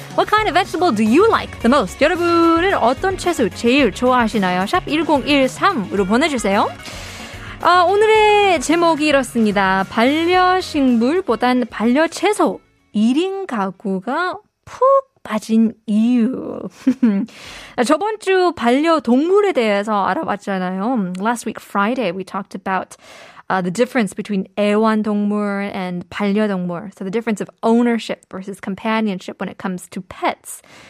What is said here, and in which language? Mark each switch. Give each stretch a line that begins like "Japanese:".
English: What kind of vegetable do you like the most?
Korean: 여러분은 어떤 채소 제일 좋아하시나요? 샵 1013으로 보내주세요. 아, 오늘의 제목이 이렇습니다. 반려식물보단 반려채소 1인 가구가 푹 빠진 이유. 저번 주 반려동물에 대해서 알아봤잖아요.
English: Last week Friday we talked about the difference between 애완동물 and 반려동물. So the difference of ownership versus companionship when it comes to pets.